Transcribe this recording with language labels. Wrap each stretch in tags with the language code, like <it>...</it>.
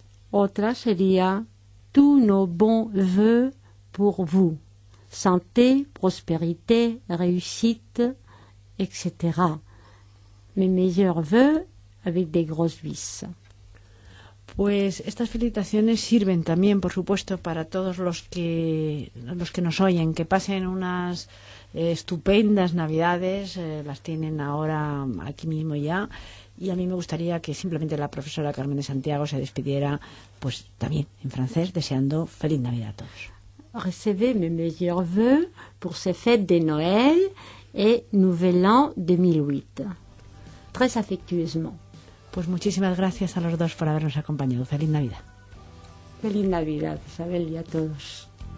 <es>Otra sería,</es> <fr>tous nos bons vœux pour vous, santé, prospérité, réussite, etc. Mes meilleurs vœux avec des grosses bis.</fr> <es>Pues estas felicitaciones sirven también, por supuesto, para todos los que nos oyen, que pasen unas estupendas Navidades, las tienen ahora aquí mismo ya, y a mí me gustaría que simplemente la profesora Carmen de Santiago se despidiera, pues también en francés, deseando feliz Navidad a todos.</es> <fr>Recevez mes meilleurs vœux pour ces fêtes de Noël et Nouvel An 2008. Très affectueusement.</fr> <es>Pues muchísimas gracias a los dos por habernos acompañado. Feliz Navidad. Feliz Navidad, Isabel, y a todos.</es>